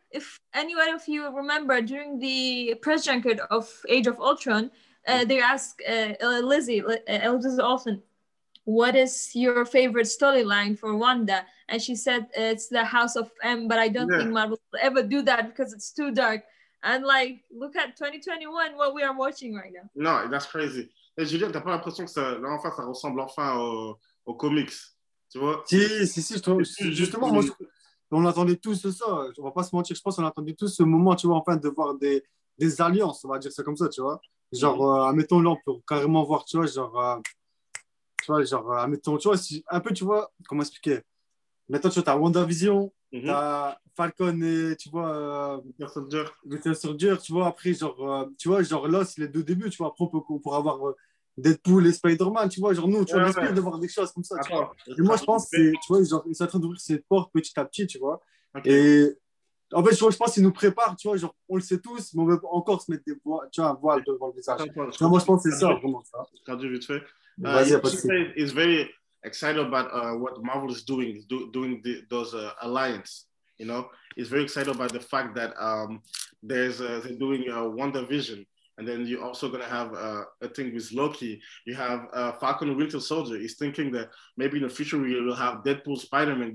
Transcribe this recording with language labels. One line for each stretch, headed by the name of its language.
English: If anyone of you remember during the press junket of Age of Ultron, they asked Elizabeth Olsen, what is your favorite storyline for Wanda? And she said, it's the House of M, but I don't think Marvel will ever do that because it's too dark. And like, look at 2021, what we are watching right now. No, that's crazy.
French: Hey, Julien, t'as pas l'impression que ça, enfin, ça ressemble enfin aux comics, tu vois? Si, justement, moi, on attendait tous ça, on va pas se mentir, je pense qu'on attendait tous ce moment, tu vois, enfin, de voir des alliances, on va dire ça comme ça, tu vois. Genre, admettons-le, on peut carrément voir, tu vois, admettons, tu vois, si, un peu, tu vois, comment expliquer. Maintenant, tu vois, t'as WandaVision, t'as Falcon et, tu vois, Winter Soldier, tu vois, après, là, c'est les deux débuts, tu vois, après, on pourra avoir Deadpool et Spider-Man, tu vois, genre nous, tu vois, on espère de voir des choses comme ça, tu vois. Et moi, je pense, ils sont en train d'ouvrir ces portes petit à petit, tu vois. Okay. Et en fait, je pense qu'ils nous préparent, tu vois, genre, on le sait tous, mais on veut encore se mettre des voiles, tu vois, un voile devant le visage. Moi, je pense que c'est ça, vraiment ça. Traduit vite fait. Vas-y,
English: it's very excited about what Marvel is doing, doing the, those alliance, you know? He's very excited about the fact that there's they're doing WandaVision, and then you're also gonna have a thing with Loki. You have Falcon Winter Soldier. He's thinking that maybe in the future we will have Deadpool, Spider-Man.